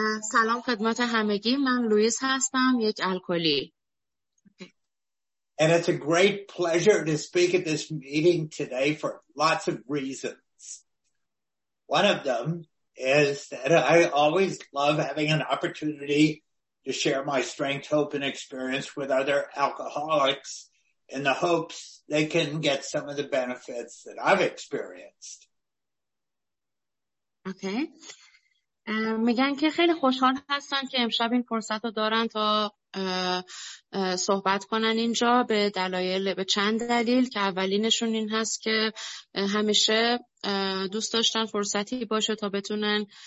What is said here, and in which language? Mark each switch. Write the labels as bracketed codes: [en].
[fa] سلام خدمت همگی، من لوئیس هستم، یک الکلی. [en] And it's a great pleasure to speak at this meeting today for lots of reasons. One of them is that I always love having an opportunity to share my strength, hope and experience with other alcoholics in the hopes they can get some of the benefits that I've experienced. Okay. [fa] میگن که خیلی خوشحال هستن که امشب این فرصت رو دارن تا صحبت کنن اینجا به دلایل، به چند دلیل که اولینشون این هست که همیشه دوست داشتن فرصتی باشه تا بتونن